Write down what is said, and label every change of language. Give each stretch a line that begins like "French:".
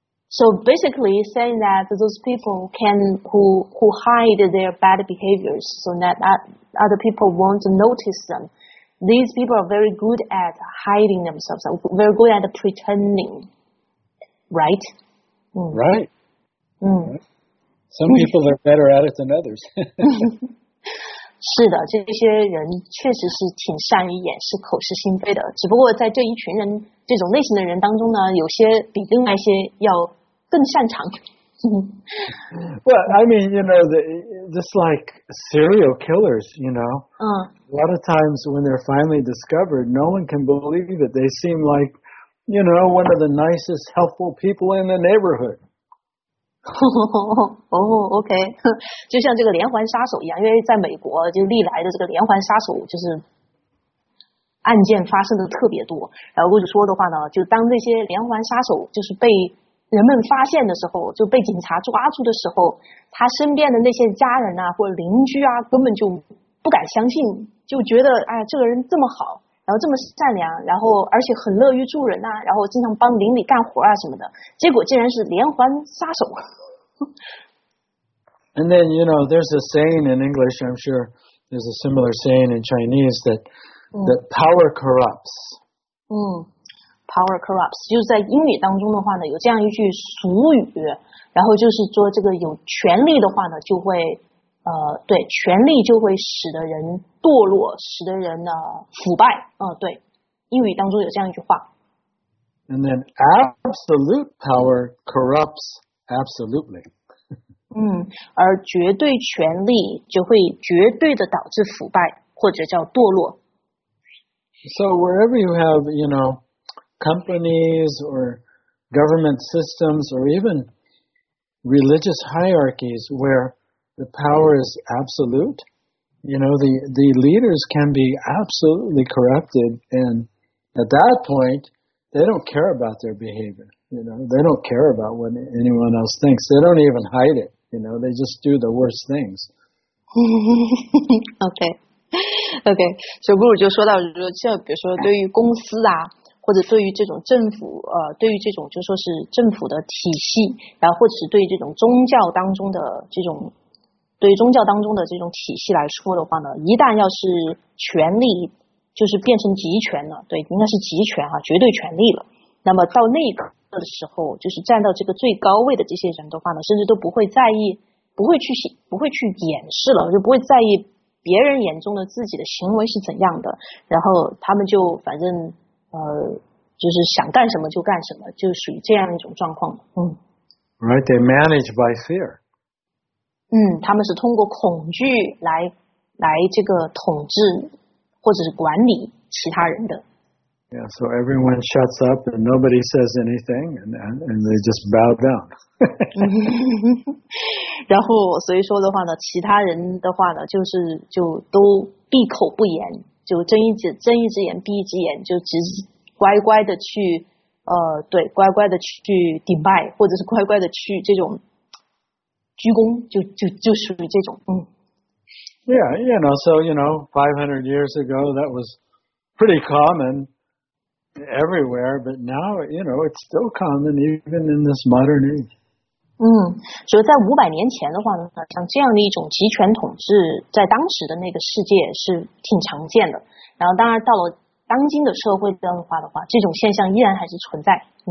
English: So basically saying that those people who hide their bad behaviors so that other people won't notice them, these people are very good at hiding themselves, very good at pretending, right? Right. Some people are better at it than others.
Chinese: 是的，这些人确实是挺善于掩饰口是心非的。只不过在这一群人这种类型的人当中呢，有些比另外一些要更擅长。
English: Well, I mean, you know, just like serial killers, you know. A lot of times when they're finally discovered, no one can believe it. They seem like, you know, one of the nicest, helpful people in the neighborhood. Oh, OK.
Chinese: 就像这个连环杀手一样，因为在美国就历来的这个连环杀手就是案件发生的特别多。然后我就说的话呢，就当这些连环杀手就是被人们发现的时候，就被警察抓住的时候，他身边的那些家人啊或者邻居啊根本就不敢相信，就觉得哎，这个人这么好，然后这么善良，然后而且很乐于助人啊，然后经常帮邻里干活啊什么的，结果竟然是连环杀手。
English: And then, you know, there's a saying in English, I'm sure there's a similar saying in Chinese, that power corrupts. Power corrupts.
Chinese: 就是在英语当中的话呢，有这样一句俗语，然后就是说这个有权力的话呢，就会对，权力就会使得人堕落，使得人呢腐败。对，英语当中有这样一句话。
English: And then absolute power corrupts absolutely.
Chinese: 而绝对权力就会绝对的导致腐败，或者叫堕落。
English: So wherever you have, you know, companies or government systems or even religious hierarchies where the power is absolute, you know, the leaders can be absolutely corrupted, and at that point they don't care about their behavior, you know, they don't care about what anyone else thinks, they don't even hide it, you know, they just do the worst things.
Chinese: okay, so Guru 就说到说，像比如说对于公司啊，或者对于这种政府，对于这种就是说是政府的体系，然后或者是对于这种宗教当中的这种，对于宗教当中的这种体系来说的话呢，一旦要是权力就是变成集权了，对，应该是集权啊，绝对权力了。那么到那一刻的时候，就是站到这个最高位的这些人的话呢，甚至都不会在意，不会去掩饰了，就不会在意别人眼中的自己的行为是怎样的，然后他们就反正。就是想干什么就干什么，就属于这样一种状况。
English: Right, they manage by fear.
Chinese: 他们是通过恐惧来这个统治或者是管理其他人的。
English: Yeah, so everyone shuts up and nobody says anything, and they just bow down.
Chinese: 然后所以说的话呢，其他人的话呢，就是就都闭口不言。就睁一只眼闭一只眼，就只乖乖的去对，乖乖的去顶拜，或者是乖乖的去这种鞠躬，就属于这种。
English: Yeah, you know, so you know, 500 years ago, that was pretty common everywhere, but now, you know, it's still common even in this modern age.
Chinese: 所以在500年前的话呢，像这样的一种集权统治在当时的那个世界是挺常见的，然后当然到了当今的社会变化的话，这种现象依然还是存在。